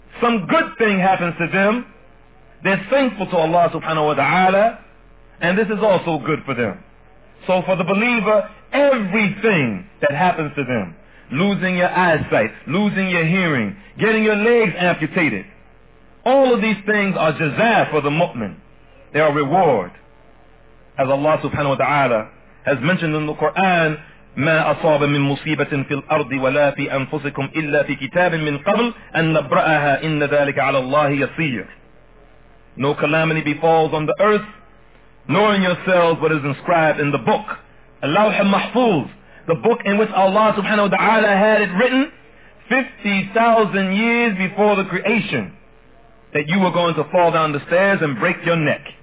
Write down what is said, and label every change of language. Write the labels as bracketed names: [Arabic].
[English] some good thing happens to them, they're thankful to Allah subhanahu wa ta'ala, and this is also good for them. So for the believer, everything that happens to them, losing your eyesight, losing your hearing, getting your legs amputated, all of these things are jaza for the mu'min. They are reward. [Arabic] As Allah subhanahu wa ta'ala has mentioned in the Quran, مَا أَصَابَ مِن مُصِيبَةٍ فِي الْأَرْضِ وَلَا فِي أَنفُسِكُمْ إِلَّا فِي كِتَابٍ مِّن قَبْلِ أَن نَبْرَأَهَا إِنَّ ذَلِكَ عَلَى اللَّهِ يَصِيرٌ. [English] No calamity befalls on the earth, nor in yourselves what is inscribed in the book. Allahu Mahfuz, the book in which Allah subhanahu wa ta'ala had it written 50,000 years before the creation, that you were going to fall down the stairs and break your neck.